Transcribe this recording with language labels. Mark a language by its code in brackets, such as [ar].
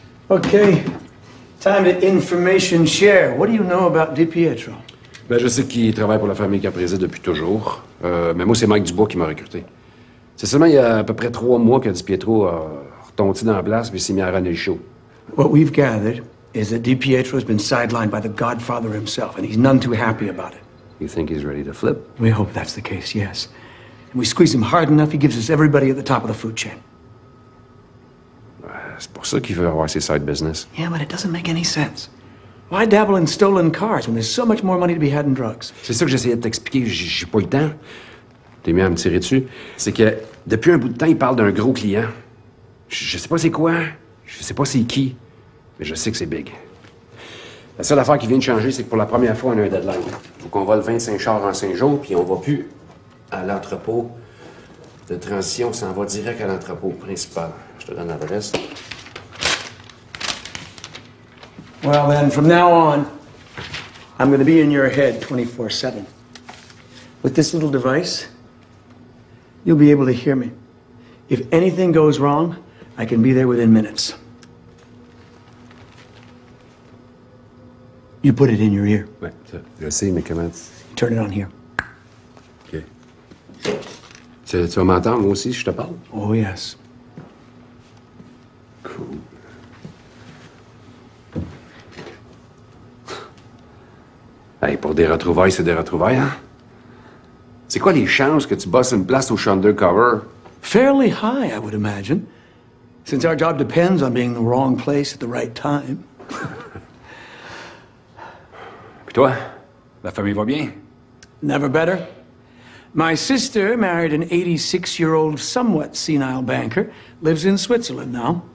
[en] OK. Time to information share. What do you know about DiPietro? [fr] Ben, je sais qu'il travaille pour la famille Caprese depuis toujours. Mais moi, c'est Mike Dubois qui m'a recruté. C'est seulement il y a à peu près trois mois que DiPietro a retonté dans la place puis s'est mis à runner le show. [en] What we've gathered is that DiPietro has been sidelined by the Godfather himself, and he's none too happy about it. You think he's ready to flip? We hope that's the case, yes. And we squeeze him hard enough, he gives us everybody at the top of the food chain. [fr] C'est pour ça qu'il veut avoir ses side business. [en] Yeah, but it doesn't make any sense. Why dabble in stolen cars when there's so much more money to be had in drugs? [fr] C'est ça que j'essayais de t'expliquer, j'ai pas eu le temps. T'es mis à me tirer dessus. C'est que depuis un bout de temps, il parle d'un gros client. Je sais pas c'est quoi, je sais pas c'est qui, mais je sais que c'est big. La seule affaire qui vient de changer, c'est que pour la première fois, on a un deadline. Faut qu'on vole 25 chars en 5 jours, puis on va plus à l'entrepôt de transition, on s'en va direct à l'entrepôt principal. Je te donne l'adresse. [en] Well, then, from now on, I'm going to be in your head 24/7. With this little device, you'll be able to hear me. If anything goes wrong, I can be there within minutes. You put it in your ear. Wait, you'll see me come out. Turn it on here. Okay. [fr] Tu vas m'entendre, moi aussi, je te parle? [en] Oh, yes. Cool. [fr] Hey, pour des retrouvailles, c'est des retrouvailles, hein? C'est quoi les chances que tu bosses une place au champ d'undercover? [en] Fairly high, I would imagine. Since our job depends on being in the wrong place at the right time. [fr] Puis toi, la famille va bien? [en] Never better. My sister married an 86-year-old, somewhat senile banker, lives in Switzerland now.